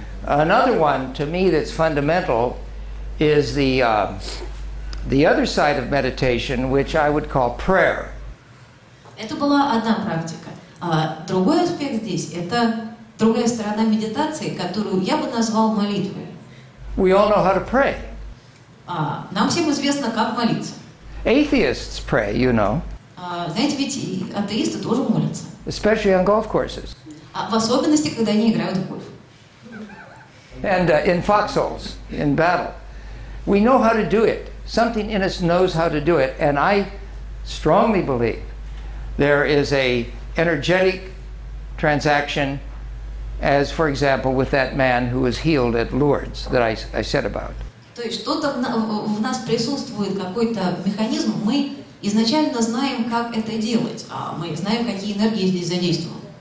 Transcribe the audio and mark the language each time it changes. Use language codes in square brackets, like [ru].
[en] Another one to me that's fundamental is the other side of meditation, which I would call prayer. [ru] Это была одна практика. Другой аспект здесь – это другая сторона медитации, которую я бы назвал молитвой. [en] We all know how to pray. [ru] Нам всем известно, как молиться. [en] Atheists pray, you know. [ru] Знаете, ведь атеисты тоже молятся. [en] Especially on golf courses. [ru] В особенности, когда они играют в гольф. [en] And in foxholes, in battle. We know how to do it. Something in us knows how to do it. And I strongly believe there is a energetic transaction, as, for example, with that man who was healed at Lourdes that I said about. [ru] То есть что-то в нас присутствует, какой-то механизм. Мы изначально знаем, как это делать. Мы знаем, какие энергии здесь задействованы.